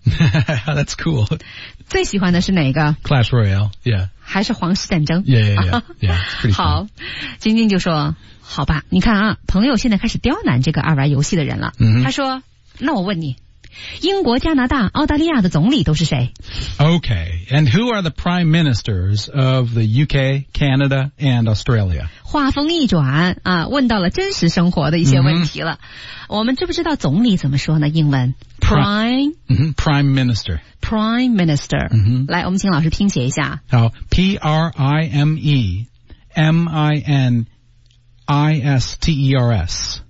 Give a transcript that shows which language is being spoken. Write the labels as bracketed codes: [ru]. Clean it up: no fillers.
[en] That's cool. [zh] 最喜欢的是哪个 [en] ?Clash Royale, yeah. [zh] 还是皇室战争 [en] ?Yeah, it's pretty [zh] 好。晶晶就说好吧，你看啊，朋友现在开始刁难这个爱玩游戏的人了。他说那我问你，英国、加拿大、澳大利亚的总理都是谁？ Okay, and who are the prime ministers of the UK, Canada, and Australia? 话锋一转啊，问到了真实生活的一些问题了。我们知不知道总理怎么说呢？英文 [en] Prime Minister. Prime Minister. [zh] 来，我们请老师拼写一下。 [en] 好 PRIMEMINISTERS.